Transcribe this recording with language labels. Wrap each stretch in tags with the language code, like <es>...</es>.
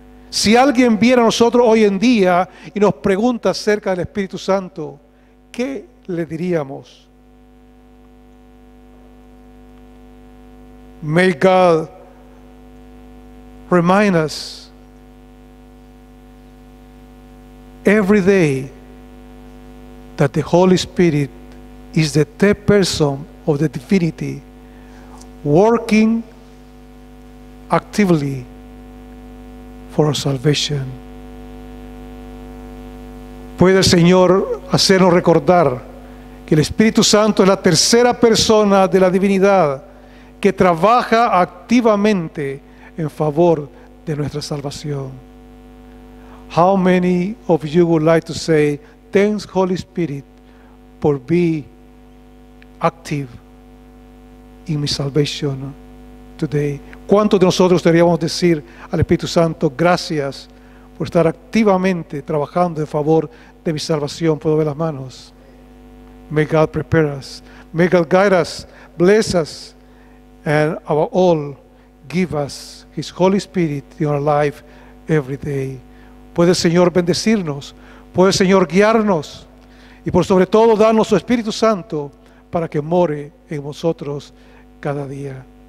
<es>Si alguien viera a nosotros hoy en día y nos pregunta acerca del Espíritu Santo, ¿qué le diríamos?</es> <en>May God remind us every day that the Holy Spirit is the third person of the divinity working actively for our salvation.</en> <es>Puede el Señor hacernos recordar que el Espíritu Santo es la tercera persona de la divinidad que trabaja activamente en favor de nuestra salvación.</es> <en>How many of you would like to say, thanks Holy Spirit for being active in my salvation today?</en> <es>¿Cuántos de nosotros deberíamos decir al Espíritu Santo, gracias por estar activamente trabajando en favor de mi salvación? ¿Puedo ver las manos?</es> <en>May God prepare us. May God guide us, bless us, and above all, give us His Holy Spirit in our life every day.</en> <es>Puede el Señor bendecirnos, puede el Señor guiarnos, y por sobre todo darnos su Espíritu Santo para que more en nosotros cada día.</es>